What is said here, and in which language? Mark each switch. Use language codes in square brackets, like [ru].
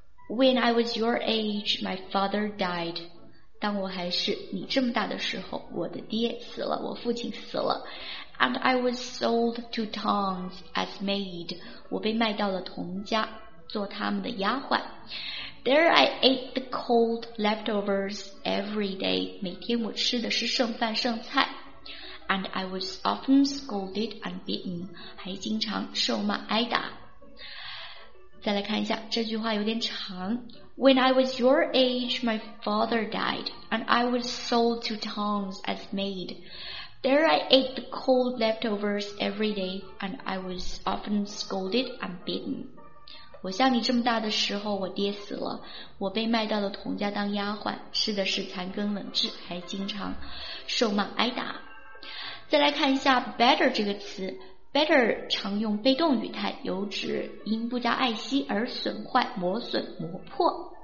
[en] When I was your age, my father died. [zh] 当我还是你这么大的时候，我的爹死了，我父亲死了。 [en] And I was sold to Tongs as maid. [zh] 我被卖到了童家，做他们的丫鬟。 [en] There I ate the cold leftovers every day. [zh] 每天我吃的是剩饭剩菜。 [en] And I was often scolded and beaten. [zh] 还经常受骂挨打。再来看一下，这句话有点长。 [en] When I was your age, my father died, and I was sold to towns as maid. There I ate the cold leftovers every day, and I was often scolded and beaten. [zh] 我像你这么大的时候，我爹死了，我被卖到了童家当丫鬟，吃的是残羹冷炙，还经常受骂挨打。再来看一下 better 这个词。Better 常用被动语态，有指因不加爱惜而损坏、磨损、磨破。